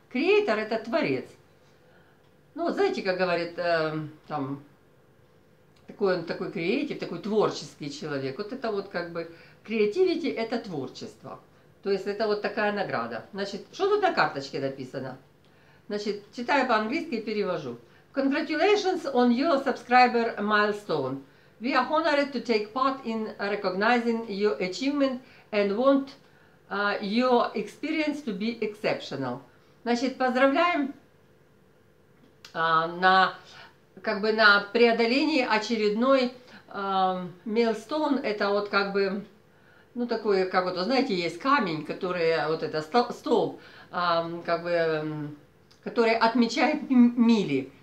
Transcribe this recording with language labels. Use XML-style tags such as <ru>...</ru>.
<ru>Creator – это творец. Ну, знаете, как говорит там, такой он такой креатив, такой творческий человек. Вот это вот как бы креативити – это творчество. То есть это вот такая награда. Значит, что тут на карточке написано? Значит, читаю по-английски и перевожу.</ru> <en>Congratulations on your subscriber milestone. We are honored to take part in recognizing your achievement and want your experience to be exceptional.</en> <ru>Значит, поздравляем на, как бы на преодолении очередной milestone. Это вот как бы, ну такой, как вот, знаете, есть камень, который, вот это, столб, как бы, который отмечает мили.</ru>